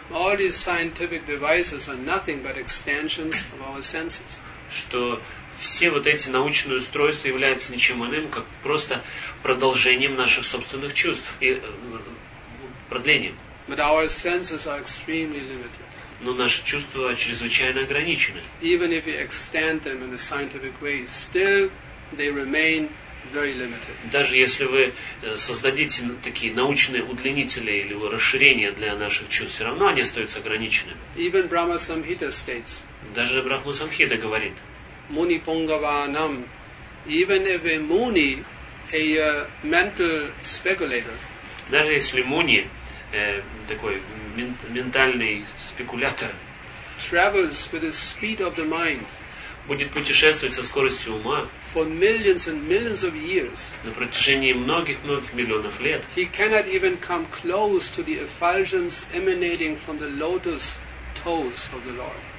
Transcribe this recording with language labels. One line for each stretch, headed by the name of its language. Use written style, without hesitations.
English: All these scientific devices are nothing but extensions of our senses.
Russian: Что все вот эти научные устройства являются ничем иным, как просто продолжением наших собственных чувств и продлением.
English: But our senses are extremely limited.
Russian: Но наши чувства чрезвычайно ограничены.
English: Even if you extend them in a scientific way, still they remain very limited.
Russian: Даже если вы создадите такие научные удлинители или расширения для наших чувств, все равно они остаются ограниченными.
English: Even Brahma Samhita states.
Russian: Даже Брахма Самхита говорит.
English: Муни пунгаванам. Even if a муни, a mental speculator.
Russian: Даже если муни такой ментальный спекулятор
English: travels with the speed of the mind,
Russian: будет путешествовать со скоростью ума
English: for millions and millions of years,
Russian: на протяжении многих-многих миллионов лет,
English: he cannot even come close to the effulgence emanating from the lotus toes of the Lord.